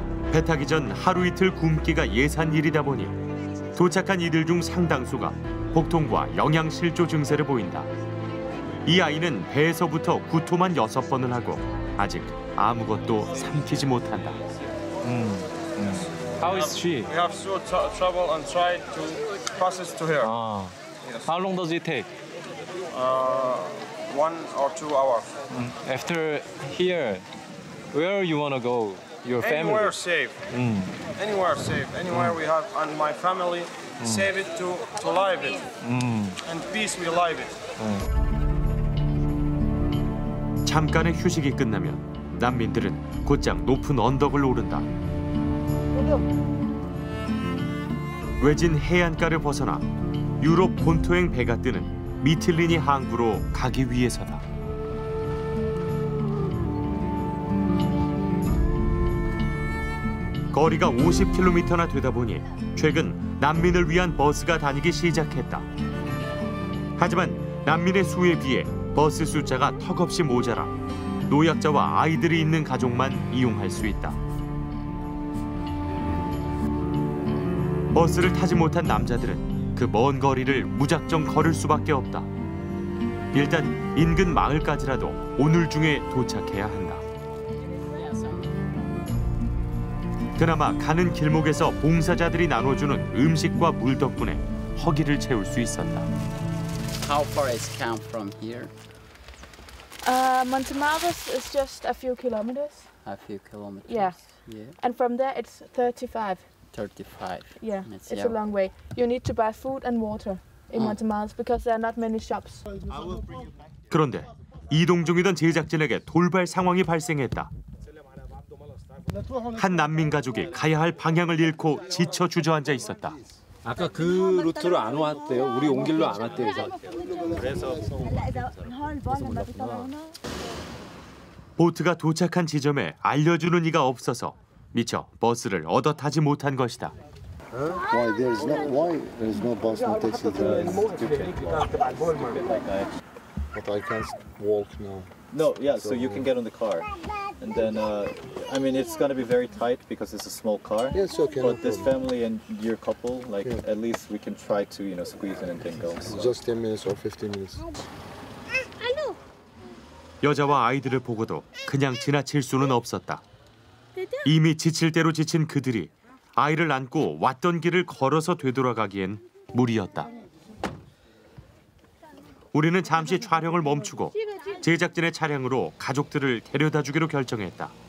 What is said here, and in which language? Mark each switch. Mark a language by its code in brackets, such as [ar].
[ko] 배 타기 전 하루 이틀 굶기가 예산 일이다 보니 도착한 이들 중 상당수가 복통과 영양실조 증세를 보인다. 이 아이는 배에서부터 구토만 6번을 하고 아직 아무것도 삼키지 못한다. [en] How is she? We have so trouble and try to process to here. Yes. How long does it take? One or two hours. After here, where you want to go? Your family? Anywhere safe. Anywhere safe. Anywhere we have and my family save it to live it. And peace we live it. [ko] 잠깐의 휴식이 끝나면 난민들은 곧장 높은 언덕을 오른다. 외진 해안가를 벗어나 유럽 본토행 배가 뜨는 미틀리니 항구로 가기 위해서다. 거리가 50km나 되다 보니 최근 난민을 위한 버스가 다니기 시작했다. 하지만 난민의 수에 비해 버스 숫자가 턱없이 모자라 노약자와 아이들이 있는 가족만 이용할 수 있다. 버스를 타지 못한 남자들은 그 먼 거리를 무작정 걸을 수밖에 없다. 일단 인근 마을까지라도 오늘 중에 도착해야 한다. 그나마 가는 길목에서 봉사자들이 나눠주는 음식과 물 덕분에 허기를 채울 수 있었다. [en] How far is camp from here? Montemaros is just a few kilometers. a few kilometers. Yeah. Yeah. And from there it's 35. 35. Yeah. It's a long way. You need to buy food and water in Guatemala because there are not many shops. [ko] 그런데 이동 중이던 제작진에게 돌발 상황이 발생했다. 한 난민 가족이 가야 할 방향을 잃고 지쳐 주저앉아 있었다. 아까 그 루트로 안 왔대요. 우리 온 길로 안 왔대요. 그래서 보트가 도착한 지점에 알려주는 이가 없어서 미처 버스를 얻어 타지 못한 것이다. [en] Why there's no why there's no bus no taxi there. But I can't walk now. No, yeah, so you can get on the car. And then I mean it's going to be very tight because it's a small car. Yes, yeah, so okay. But this family and your couple like yeah. at least we can try to, you know, squeeze in and then go. So. Just 10 minutes or 15 minutes. [ko] 여자와 아이들을 보고도 그냥 지나칠 수는 없었다. 이미 지칠 대로 지친 그들이 아이를 안고 왔던 길을 걸어서 되돌아가기엔 무리였다. 우리는 잠시 촬영을 멈추고 제작진의 차량으로 가족들을 데려다 주기로 결정했다.